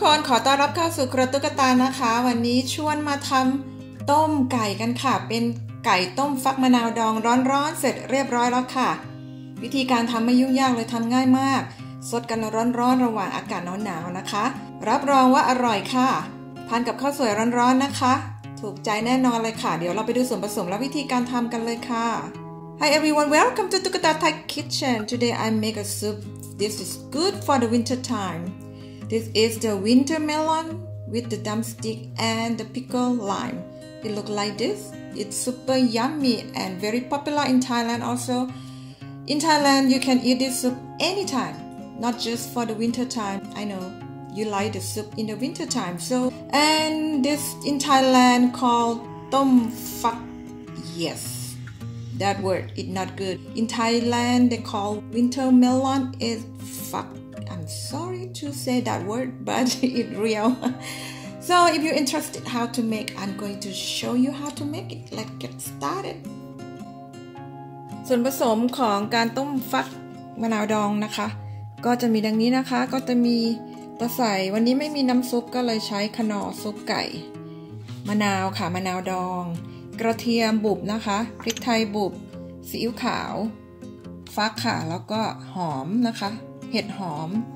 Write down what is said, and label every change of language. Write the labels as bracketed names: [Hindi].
[Thai] ขอต้อนรับเข้าสู่ครัวตุ๊กตานะคะวันนี้ชวนมาทำต้มไก่กันค่ะเป็นไก่ต้มฟักมะนาวดองร้อนๆเสร็จเรียบร้อยแล้วค่ะวิธีการทำไม่ยุ่งยากเลยทำง่ายมากสดกันร้อนๆระหว่างอากาศหนาวๆนะคะรับรองว่าอร่อยค่ะทานกับข้าวสวยร้อนๆนะคะถูกใจแน่นอนเลยค่ะเดี๋ยวเราไปดูส่วนผสมและวิธีการทำกันเลยค่ะ [English] Hi everyone, welcome to Tukata Thai Kitchen. Today I make a soup. This is good for the winter time. This is the winter melon with the drumstick and the pickled lime. It looks like this. It's super yummy and very popular in Thailand also. In Thailand, you can eat this soup anytime, not just for the winter time. I know you like the soup in the winter time. So, and this in Thailand called tom phak. Yes, that word is not good. In Thailand, they call winter melon is phak. I'm sorry to say that word, but it's real. So if you're interested how to make, I'm going to show you how to make it. Let's get started. [Thai] ส่วนผสมของการต้มฟักมะนาวดองนะคะก็จะมีดังนี้นะคะก็จะมีตะไคร้วันนี้ไม่มีน้ำซุปก็เลยใช้ขนอซุปไก่ มะนาวค่ะมะนาวดองกระเทียมบุบนะคะพริกไทยบุบซีอิ๊วขาวฟักค่ะแล้วก็หอมนะคะเห็ดหอม